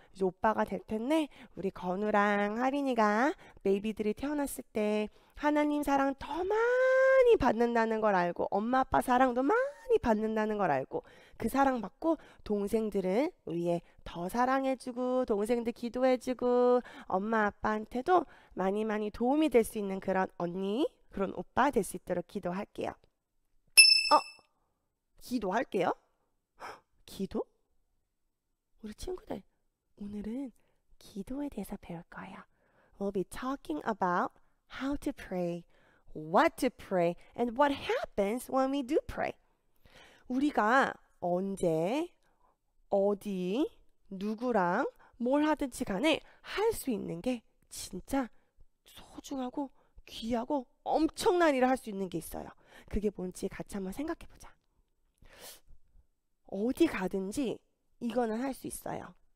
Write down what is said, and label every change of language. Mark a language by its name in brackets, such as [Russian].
[Korean] 이제 오빠가 될 텐데 우리 건우랑 하린이가 베이비들이 태어났을 때 하나님 사랑 더 많이 받는다는 걸 알고 엄마 아빠 사랑도 많이 받는다는 걸 알고 그 사랑 받고 동생들은 우리에 더 사랑해주고 동생들 기도해주고 엄마 아빠한테도 많이 많이 도움이 될 수 있는 그런 언니 그런 오빠 될 수 있도록 기도할게요. 기도할게요? 기도? 우리 친구들 오늘은 기도에 대해서 배울 거예요. [English] We'll be talking about how to pray, what to pray, and what happens when we do pray. [Korean] 우리가 언제, 어디, 누구랑 뭘 하든지 간에 할 수 있는 게 진짜 소중하고 귀하고 엄청난 일을 할 수 있는 게 있어요. 그게 뭔지 같이 한번 생각해 보자. 어디 가든지 이거는 할 수 있어요.